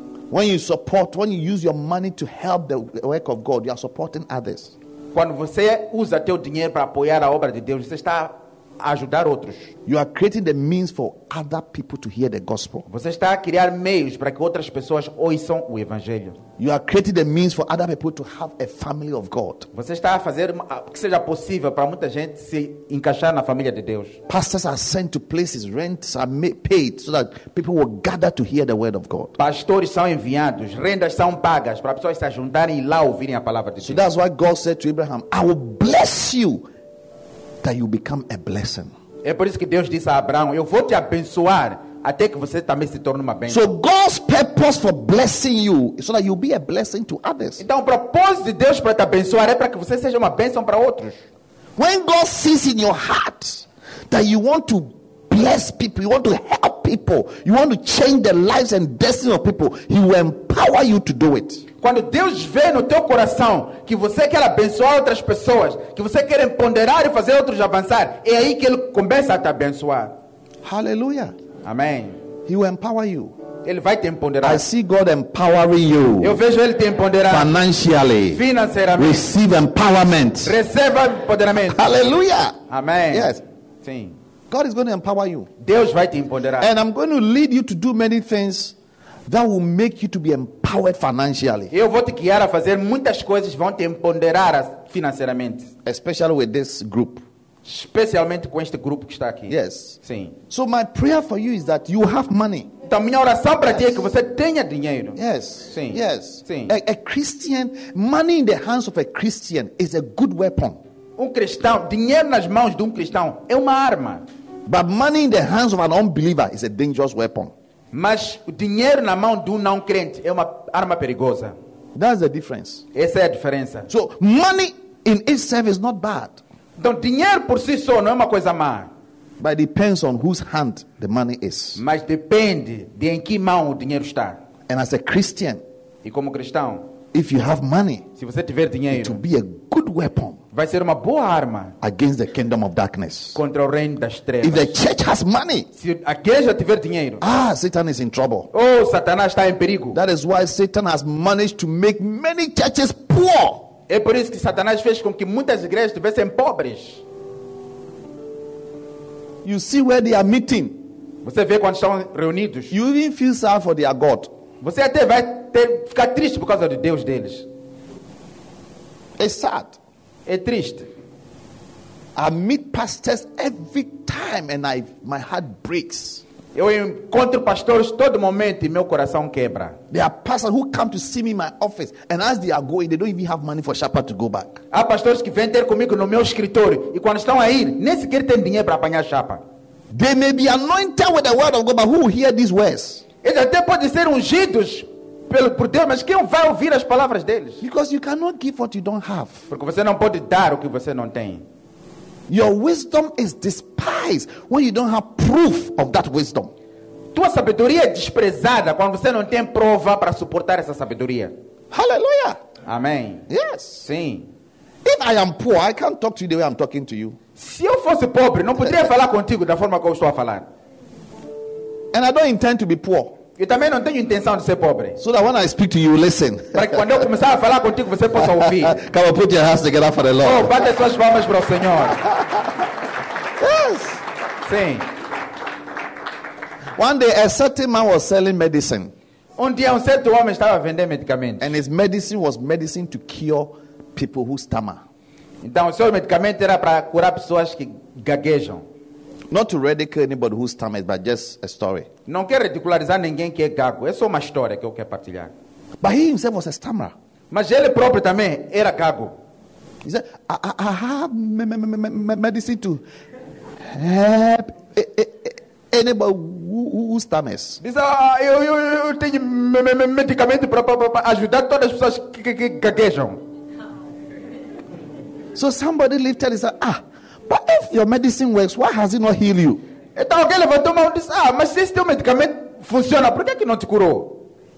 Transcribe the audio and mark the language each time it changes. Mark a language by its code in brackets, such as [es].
[en] When you support, when you use your money to help the work of God, you are supporting others. [pt] Quando você usa teu dinheiro para apoiar a obra de Deus, você está ajudar outros. [en] You are creating the means for other people to hear the gospel. [pt] Você está a criar meios para que outras pessoas ouçam o evangelho. [en] You are creating the means for other people to have a family of God. [pt] Você está a fazer que seja possível para muita gente se encaixar na família de Deus. [en] Pastors are sent to places, rents are made, paid so that people will gather to hear the word of God. [pt] Pastores são enviados, rendas são pagas para pessoas se juntarem lá ouvirem a palavra de Deus. [en] So that's why God said to Abraham, I will bless you that you become a blessing. [pt] É por isso que Deus disse a Abraão, eu vou te abençoar até que você também se torne uma bênção. [en] So God's purpose for blessing you is so that you'll be a blessing to others. [pt] Então o propósito de Deus para te abençoar é para que você seja uma bênção para outros. [en] When God sees in your heart that you want to bless people. You want to help people. You want to change the lives and destiny of people. He will empower you to do it. [pt] Quando Deus vê no teu coração que você quer abençoar outras pessoas, que você quer empoderar e fazer outros avançar, é aí que Ele começa a te abençoar. [en] Hallelujah. [pt] Amém. [en] He will empower you. [pt] Ele vai te empoderar. [en] I see God empowering you. [pt] Eu vejo Ele te empoderar. [en] Financially. [pt] Financeiramente. [en] Receive empowerment. [pt] Receba empoderamento. [en] Hallelujah. [pt] Amém. [en] Yes. [pt] Sim. [en] God is going to empower you. [pt] Deus vai te empoderar. [en] And I'm going to lead you to do many things that will make you to be empowered financially. [pt] Eu vou te guiar a fazer muitas coisas que vão te empoderar financeiramente. [en] Especially with this group. [pt] Especialmente com este grupo que está aqui. [en] Yes. [pt] Sim. [en] So my prayer for you is that you have money. [pt] A minha oração para ti é que você tenha dinheiro. [en] Yes. [pt] Sim. [en] Yes. [pt] Sim. [en] A Christian, money in the hands of a Christian is a good weapon. [pt] Cristão, dinheiro nas mãos de cristão é uma arma. [en] But money in the hands of an unbeliever is a dangerous weapon. [pt] Mas o dinheiro na mão de não crente é uma arma perigosa. [en] That's the difference. [pt] Essa é a diferença. [en] So money in itself is not bad. [pt] Então dinheiro por si só não é uma coisa má. [en] But it depends on whose hand the money is. [pt] Mas depende de em que mão o dinheiro está. [en] And as a Christian, [pt] e como cristão, [en] if you have money, [pt] se você tiver dinheiro, [en] it will be a good weapon. [pt] Vai ser uma boa arma [en] against the kingdom of darkness. [pt] Contra o reino das trevas. [en] If the church has money, [pt] se a igreja tiver dinheiro, [en] ah, Satan is in trouble. [pt] Oh, Satanás está em perigo. [en] That is why Satan has managed to make many churches poor. [pt] É por isso que Satanás fez com que muitas igrejas estivessem pobres. [en] You see where they are meeting. [pt] Você vê quando estão reunidos. [en] You even feel sad for their God. [pt] Você até vai ter, ficar triste por causa do Deus deles. É sad. É triste. [en] I meet pastors every time and my heart breaks. [pt] Eu encontro pastores todo momento e meu coração quebra. [en] There are pastors who come to see me in my office and as they are going, they don't even have money for shopper to go back. [pt] Há pastores que vêm ter comigo no meu escritório e quando estão aí, nem sequer têm dinheiro para apanhar chapa. [en] They may be anointed with the word of God, but who will hear these words? [pt] Eles até podem ser ungidos por Deus, mas quem vai ouvir as palavras deles? [en] Because you cannot give what you don't have. [pt] Porque você não pode dar o que você não tem. [en] Your wisdom is despised when you don't have proof of that wisdom. [pt] Tua sabedoria é desprezada quando você não tem prova para suportar essa sabedoria. [en] Hallelujah. [pt] Amém. [en] Yes. [pt] Sim. [en] If I am poor, I can't talk to you the way I'm talking to you. [pt] Se eu fosse pobre, não poderia falar contigo da forma como estou a falar. [en] And I don't intend to be poor. [pt] Eu também não tenho intenção de ser pobre. [en] So that when I speak to you, listen. [pt] Para que quando eu começar a falar contigo, você possa ouvir. [en] Come on, put your hands together for the Lord. [pt] Oh, bate suas palmas para o Senhor. [en] Yes. [pt] Sim. [en] One day, a certain man was selling medicine. [pt] Dia, certo homem estava vendendo medicamentos. [en] And his medicine was medicine to cure people who stammer. [pt] Então, seu medicamento era para curar pessoas que gaguejam. [en] Not to ridicule anybody who stammers, but just a story. [pt] Não quero ridicularizar ninguém que é gago. É só uma história que eu quero partilhar. [en] But he himself was a stammerer. [pt] Mas ele próprio também era gago. [en] He said, I have medicine to help anybody who stammers. He said, [pt] eu tenho medicamento para ajudar todas as pessoas que gaguejam. [en] So somebody lifted his hand, ah. But if your medicine works, why has it not healed you? [pt] Então alguém levantou a mão e disse, ah, mas se este medicamento funciona, por que não te curou?